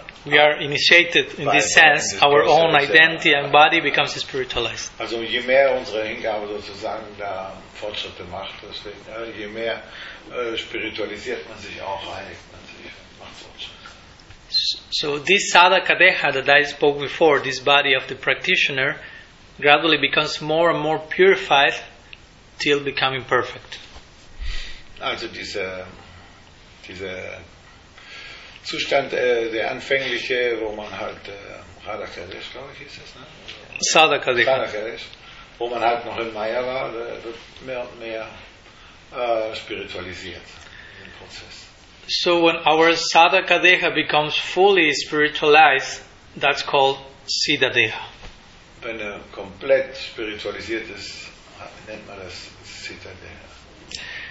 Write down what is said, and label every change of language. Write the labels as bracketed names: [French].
[English] we are initiated in this sense, our own identity and body becomes spiritualized. [German] Also je mehr unsere Hingabe sozusagen da Fortschritte macht, deswegen, je mehr spiritualisiert man sich auch, einigt man sich, macht Fortschritte. [English] So this siddha-deha that I spoke before, this body of the practitioner, gradually becomes more and more purified till becoming perfect. [German] Also diese Zustand der anfängliche, wo man halt Radha-Kadesh, glaube ich, ist das, ne? Sadha-Kadesh, wo man halt noch in Maya war, wird mehr und mehr spiritualisiert im Prozess. [English] So when our Sadha-Kadesha becomes fully spiritualized, that's called siddha-deha. [German] Wenn er komplett spiritualisiert ist, nennt man das siddha-deha.